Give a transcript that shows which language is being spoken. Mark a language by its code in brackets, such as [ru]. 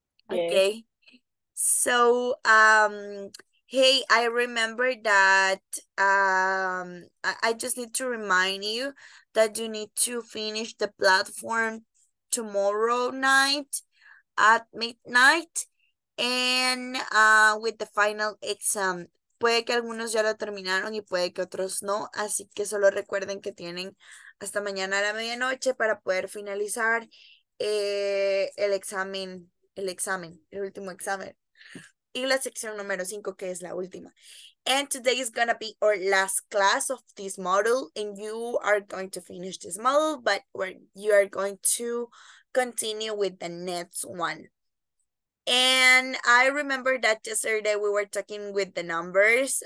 [en] Okay, so hey, I remember that I just need to remind you that you need to finish the platform tomorrow night at midnight, and with the final exam. [es] Puede que algunos ya lo terminaron y puede que otros no, así que solo recuerden que tienen hasta mañana a la medianoche para poder finalizar el examen. El examen, el último examen. Y la sección número 5, que es la última. [en] And today is going to be our last class of this module. And you are going to finish this module, but you are going to continue with the next one. And I remember that yesterday we were talking with the numbers.